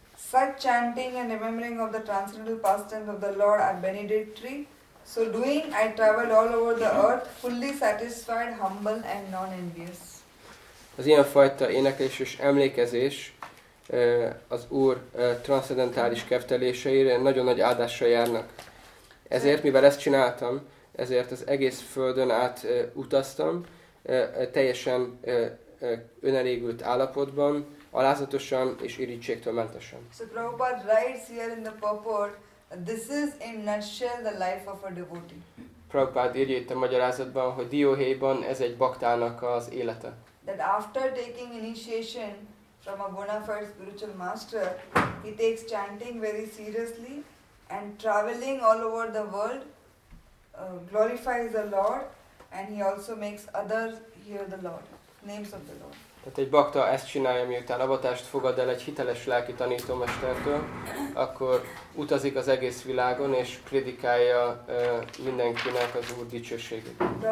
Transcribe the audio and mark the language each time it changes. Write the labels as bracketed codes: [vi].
[en] Such chanting and remembering of the transcendental pastimes of the Lord are benedictory. So doing, I travel all over the earth, fully satisfied, humble and non-envious. [hu] Az ilyenfajta éneklés és emlékezés az Úr transzcendentális kefteléseire nagyon nagy áldással járnak. Ezért, mivel ezt csináltam, ezért az egész földön át utaztam, teljesen önelégült állapotban, alázatosan és irítségtől mentesen. [en] So Prabhupada writes here in the purport, this is in nutshell the life of a devotee. [hu] Prabhupada írja itt a magyarázatban, hogy Dióhéjban ez egy baktának az élete. [en] That after taking initiation from a bona fide spiritual master, he takes chanting very seriously and traveling all over the world, glorifies the Lord, and he also makes others hear the Lord, names of the Lord. [hu] Tehát egy bakta ezt csinálja, miután avatást fogad el egy hiteles lelki tanítómestertől, akkor utazik az egész világon és prédikálja mindenkinek az Úr dicsőségét.